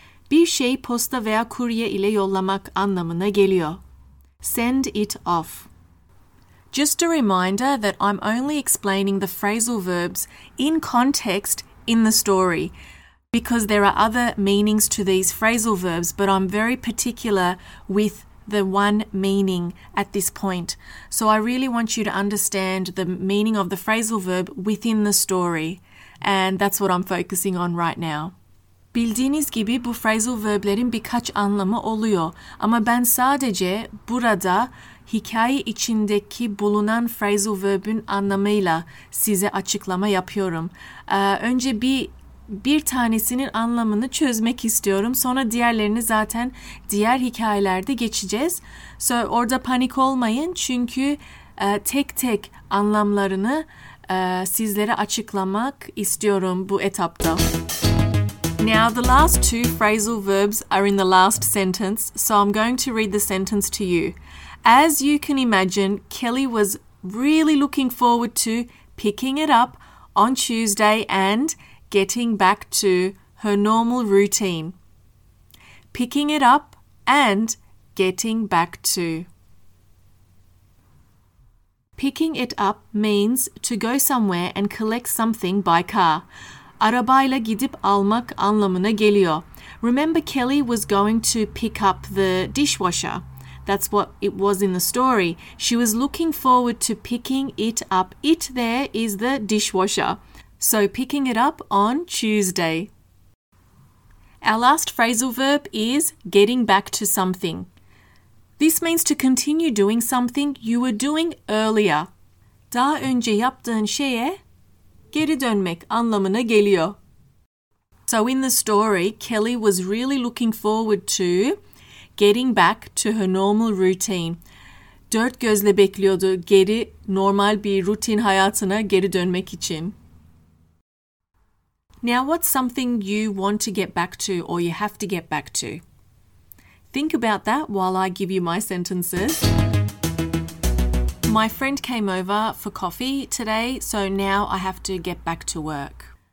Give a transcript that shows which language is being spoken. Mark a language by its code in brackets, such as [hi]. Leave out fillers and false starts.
[tr] Bir şey posta veya kurye ile yollamak anlamına geliyor. [en] Send it off. Just a reminder that I'm only explaining the phrasal verbs in context in the story, because there are other meanings to these phrasal verbs, but I'm very particular with the one meaning at this point. So I really want you to understand the meaning of the phrasal verb within the story, and that's what I'm focusing on right now. [tr] Bildiğiniz gibi bu phrasal verblerin birkaç anlamı oluyor. Ama ben sadece burada hikaye içindeki bulunan phrasal verb'ün anlamıyla size açıklama yapıyorum. Önce bir tanesinin anlamını çözmek istiyorum. Sonra diğerlerini zaten diğer hikayelerde geçeceğiz. So orada panik olmayın çünkü tek tek anlamlarını sizlere açıklamak istiyorum bu etapta. [en] Now, the last two phrasal verbs are in the last sentence, so I'm going to read the sentence to you. As you can imagine, Kelly was really looking forward to picking it up on Tuesday and getting back to her normal routine. Picking it up and getting back to. Picking it up means to go somewhere and collect something by car. [tr] Arabayla gidip almak anlamına geliyor. [en] Remember, Kelly was going to pick up the dishwasher. That's what it was in the story. She was looking forward to picking it up. It there is the dishwasher. So picking it up on Tuesday. Our last phrasal verb is getting back to something. This means to continue doing something you were doing earlier. [tr] Daha önce yaptığın şeye geri dönmek anlamına geliyor. [en] So in the story, Kelly was really looking forward to getting back to her normal routine. [tr] Dört gözle bekliyordu geri normal bir rutin hayatına geri dönmek için. [en] Now, what's something you want to get back to or you have to get back to? Think about that while I give you my sentences. My friend came over for coffee today, so now I have to get back to work.